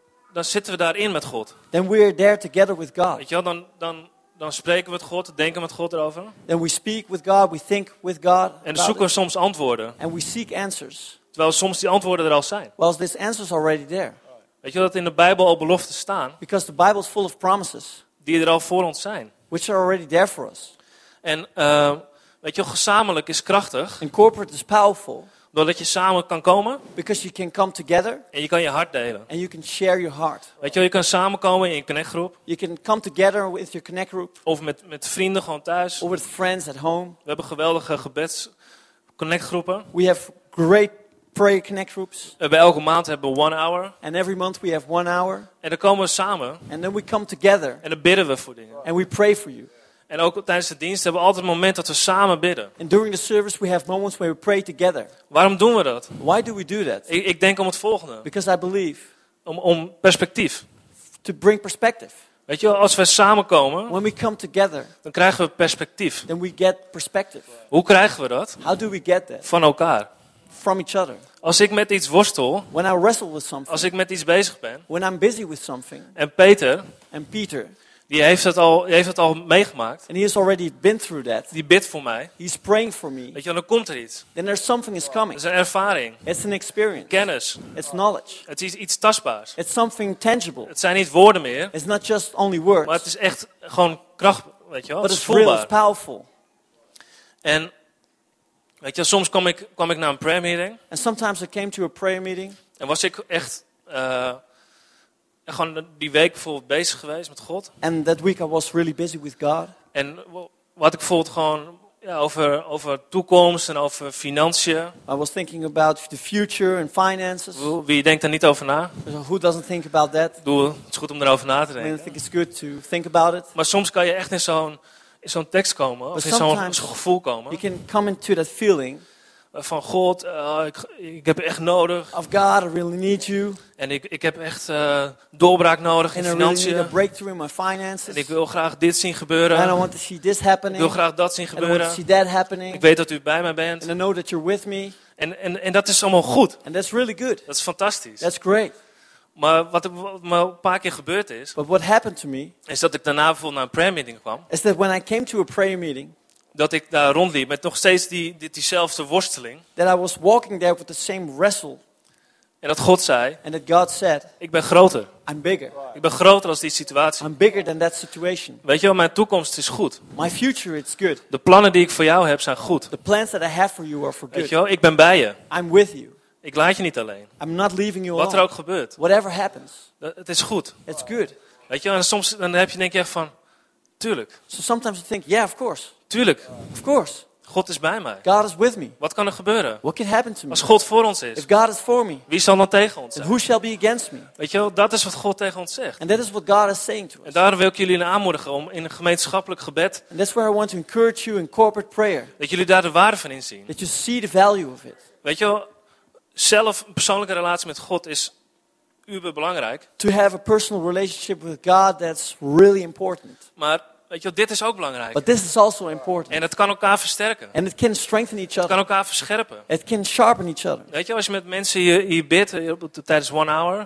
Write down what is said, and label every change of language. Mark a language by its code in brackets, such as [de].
[nl] Dan zitten we daarin met God. [en] Then we are there together with God. [nl] Weet je wel, dan spreken we met God, denken met God erover. [en] Then we speak with God, we think with God. [nl] En dan zoeken we soms antwoorden. [en] And we seek answers. [nl] Terwijl soms die antwoorden er al zijn. [en] Well, this answer is already there. [nl] Weet je wel, dat in de Bijbel al beloften staan. [en] Because the Bible is full of promises. [nl] Die er al voor ons zijn. [en] Which are already there for us. [nl] En weet je wel, gezamenlijk is krachtig. [en] And corporate is powerful. [nl] Doordat je samen kan komen. [en] Because you can come together. [nl] En je kan je hart delen. [en] And you can share your heart. [nl] Weet je wel, je kan samenkomen in je connectgroep. [en] You can come together with your connect group. [nl] Of met vrienden gewoon thuis. [en] Or with friends at home. [nl] We hebben geweldige gebeds connectgroepen. [en] We have great prayer connect groups. [nl] Bij elke maand hebben we 1 hour. [en] And every month we have 1 hour. [nl] En dan komen we samen. [en] And then we come together. [nl] En dan bidden we voor dingen. [en] And we pray for you. [nl] En ook tijdens de dienst hebben we altijd een moment dat we samen bidden. [en] And during the service we have moments where we pray together. [nl] Waarom doen we dat? [en] Why do we do that? [nl] Ik denk om het volgende. [en] Because I believe. [nl] Om perspectief. [en] To bring perspective. [nl] Weet je, als we samenkomen, [en] when we come together, [nl] dan krijgen we perspectief. [en] Then we get perspective. [nl] Hoe krijgen we dat? [en] How do we get that? [nl] Van elkaar. [en] From each other. [nl] Als ik met iets worstel, [en] when I wrestle with something, [nl] als ik met iets bezig ben, [en] when I'm busy with something, [nl] en Peter, [en] and Peter, [nl] die heeft het al, meegemaakt. [en] And he has already been through that. [nl] Die bidt voor mij. [en] He's praying for me. [nl] Weet je, dan komt er iets. [en] Then there's something is coming. [nl] Dat is een ervaring. [en] It's an experience. [nl] Kennis. [en] It's knowledge. [nl] Het is iets tastbaars. [en] It's something tangible. [nl] Het zijn niet woorden meer. [en] It's not just only words. [nl] Maar het is echt gewoon kracht, weet je wel. [en] But [nl] het is voelbaar. [en] Real, it's powerful. [nl] En weet je, soms kwam ik naar een prayer meeting. [en] And sometimes I came to a prayer meeting. [nl] En was ik echt gewoon die week bijvoorbeeld bezig geweest met God. [en] And that week I was really busy with God. [nl] En wat ik voelde gewoon over toekomst en over financiën. [en] I was thinking about the future and finances. [nl] Wie denkt daar niet over na? [en] So who doesn't think about that? [nl] Het is goed om erover na te denken. [en] I think it's good to think about it. [nl] Maar soms kan je echt in zo'n tekst komen of [en] but [nl] in zo'n gevoel komen. [en] You can come into that feeling. [nl] Van God, ik heb echt nodig. [en] Of God, I really need you. [nl] En ik heb echt doorbraak nodig in financiën. [en] And I really need a breakthrough in my finances. [nl] En ik wil graag dit zien gebeuren. [en] And I want to see this happening. [nl] Ik wil graag dat zien gebeuren. [en] And I want to see that happening. [nl] Ik weet dat u bij mij bent. [en] And I know that you're with me. [nl] En dat is allemaal goed. [en] And that's really good. [nl] Dat is fantastisch. [en] That's great. [nl] Maar wat me een paar keer gebeurd is. [en] But what happened to me? [nl] Is dat ik daarna bijvoorbeeld naar een prayer meeting kwam. [en] Is that when I came to a prayer meeting. [nl] Dat ik daar rondliep met nog steeds diezelfde worsteling. [en] That I was walking there with the same wrestle. [nl] En dat God zei. [en] And that God said. [nl] Ik ben groter. [en] I'm bigger. [nl] Ik ben groter als die situatie. [en] I'm bigger than that situation. [nl] Weet je wel, mijn toekomst is goed. [en] My future is good. [nl] De plannen die ik voor jou heb zijn goed. [en] The plans that I have for you are for good. [nl] Weet je wel, ik ben bij je. [en] I'm with you. [nl] Ik laat je niet alleen. [en] I'm not leaving you alone. [nl] Wat er ook gebeurt. [en] Whatever happens. [nl] Het is goed. [en] It's good. [nl] Weet je wel, en soms dan heb je denk je echt van. Tuurlijk. [en] So sometimes I think, yeah, of course. [nl] Tuurlijk. [en] Of course. [nl] God is bij mij. [en] God is with me. [nl] Wat kan er gebeuren? [en] What can happen to me? [nl] Als God voor ons is. [en] If God is for me. [nl] Wie zal dan tegen ons zijn? [en] And who shall be against me? [nl] Weet je wel, dat is wat God tegen ons zegt. [en] And that is what God is saying to us. [nl] En daarom wil ik jullie aanmoedigen om in een gemeenschappelijk gebed. [en] And that's where I want to encourage you in corporate prayer. [nl] Dat jullie daar de waarde van inzien. [en] That you see the value of it. [nl] Weet je wel, zelf een persoonlijke relatie met God is uber belangrijk. [en] To have a personal relationship with God, that's really important. [nl] Maar weet je, dit is ook belangrijk. [en] But this is also important. [nl] En het kan elkaar versterken. [en] And it can strengthen each other. [nl] Het kan elkaar verscherpen. [en] It can sharpen each other. [nl] Weet je, als je met mensen hier bidt tijdens 1 hour.